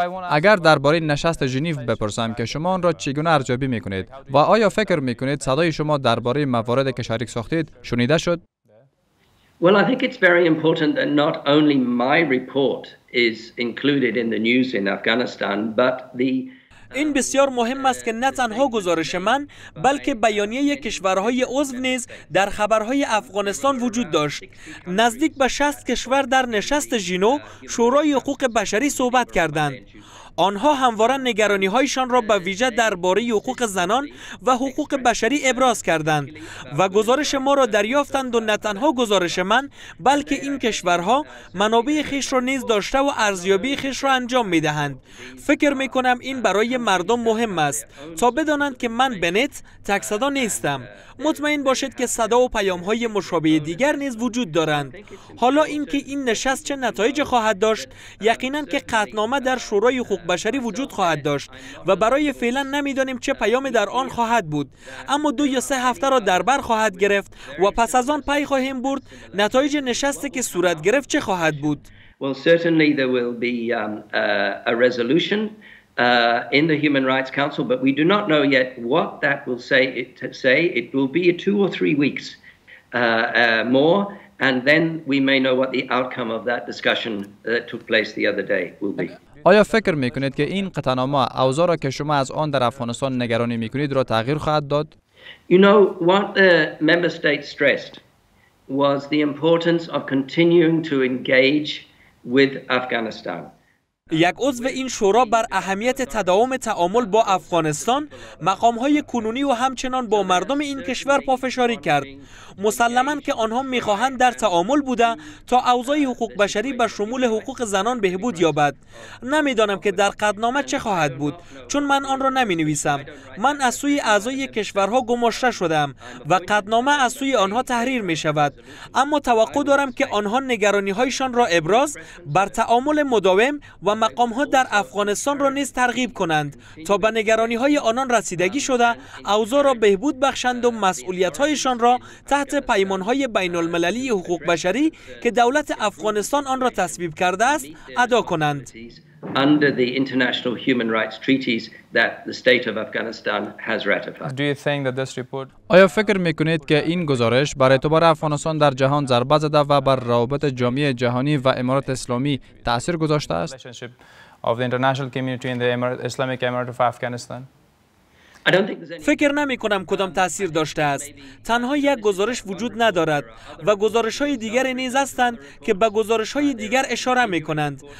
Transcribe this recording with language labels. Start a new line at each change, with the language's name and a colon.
Persian: اگر درباره نشست ژنو بپرسم که شما آن را چگونه ارزیابی می‌کنید و آیا فکر می‌کنید صدای شما درباره مواردی که شریک ساختید شنیده شد؟
English: Well, I think it's very important that not only my report is included in the news in Afghanistan, but the
Persian: این بسیار مهم است که نه تنها گزارش من، بلکه بیانیه کشورهای عضو نیز در خبرهای افغانستان وجود داشت. نزدیک به 60 کشور در نشست ژنو شورای حقوق بشری صحبت کردند. آنها همواره نگرانی‌هایشان را به ویژه درباره حقوق زنان و حقوق بشری ابراز کردند و گزارش ما را دریافتند و نه تنها گزارش من، بلکه این کشورها منابع خیش را نیز داشته و ارزیابی خیش را انجام می‌دهند. فکر می‌کنم این برای مردم مهم است تا بدانند که من بنت تک صدا نیستم. مطمئن باشید که صدا و پیام‌های مشابه دیگر نیز وجود دارند. حالا اینکه این نشست چه نتایجی خواهد داشت، یقیناً که قطعنامه در شورای بشری وجود خواهد داشت و برای فعلا نمیدانیم چه پیامی در آن خواهد بود، اما 2 یا 3 هفته را در بر خواهد گرفت و پس از آن پی خواهیم برد نتایج نشستی که صورت گرفت چه خواهد بود.
English: Well, certainly there will be a resolution in the Human Rights Council, but we do not know yet what that will say. It will be 2 or 3 weeks more, and then we may know what the outcome of that discussion that took place the other day will be.
Persian: آیا فکر میکنید که این قطعنامه اوضاع را که شما از آن در افغانستان نگرانی میکنید را تغییر خواهد داد؟
English: You know what the member states stressed was the importance of continuing to engage with Afghanistan.
Persian: یک عضو این شورا بر اهمیت تداوم تعامل با افغانستان، مقام‌های کنونی و همچنان با مردم این کشور پافشاری کرد. مسلماً که آنها می‌خواهند در تعامل بوده تا اوضاع حقوق بشری به شمول حقوق زنان بهبود یابد. نمی‌دانم که در قطعنامه چه خواهد بود، چون من آن را نمی‌نویسم. من از سوی اعضای کشورها گماشته شدم و قطعنامه از سوی آنها تحریر می‌شود. اما توقع دارم که آنها نگرانی‌هایشان را ابراز بر تعامل مداوم و مقام ها در افغانستان را نیز ترغیب کنند تا به نگرانی های آنان رسیدگی شده اوضاع را بهبود بخشند و مسئولیت هایشان را تحت پیمان های بین المللی حقوق بشری که دولت افغانستان آن را تصویب کرده است ادا کنند.
English: Under the international human rights treaties that the state of Afghanistan has ratified. Do you think that this report?
Persian: آیا فکر میکنید که این گزارش برای اعتبار افغانستان در جهان ضربه زده و بر روابط جامعه جهانی و امارات اسلامی تأثیر گذاشته است؟
English: Of the international community in the Islamic Emirate of Afghanistan.
Persian: فکر نمی کنم کدام تأثیر داشته است. تنها یک گزارش وجود ندارد و گزارش های دیگر نیز هستند که به گزارش های دیگر اشاره می کنند.